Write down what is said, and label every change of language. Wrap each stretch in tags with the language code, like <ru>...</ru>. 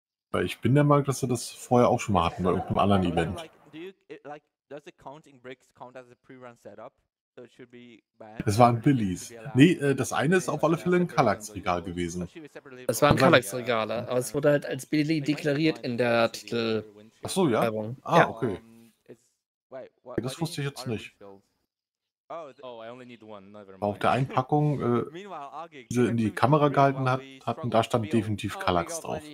<de>Weil ich bin der Meinung, dass sie das vorher auch schon mal hatten bei irgendeinem anderen Event.</de> <en>Does the counting bricks count as a pre-run setup? So it should be banned.</en> <de>Das waren Billys. Nee, das eine ist auf alle Fälle ein Kallax-Regal gewesen. Das waren Kallax-Regale, aber es wurde halt als Billy deklariert in der Titel. Ach so, ja. Ah, okay. Ja, das wusste ich jetzt nicht. Aber auf der einen Packung, die sie in die Kamera gehalten hat, hatten, da stand definitiv Kallax drauf.</de>